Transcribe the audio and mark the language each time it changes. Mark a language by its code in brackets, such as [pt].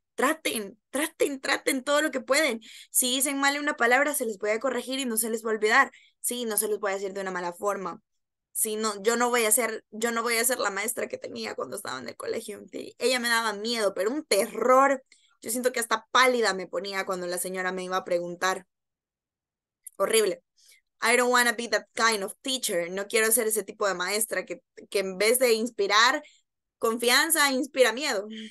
[es] Traten todo lo que pueden. Si dicen mal una palabra, se les voy a corregir y no se les va a olvidar. Sí, no se les voy a decir de una mala forma. Sí, no, yo no voy a ser la maestra que tenía cuando estaba en el colegio. Ella me daba miedo, pero un terror. Yo siento que hasta pálida me ponía cuando la señora me iba a preguntar. Horrible. [en] I don't want to be that kind of teacher. [es] No quiero ser ese tipo de maestra que en vez de inspirar confianza, inspira miedo.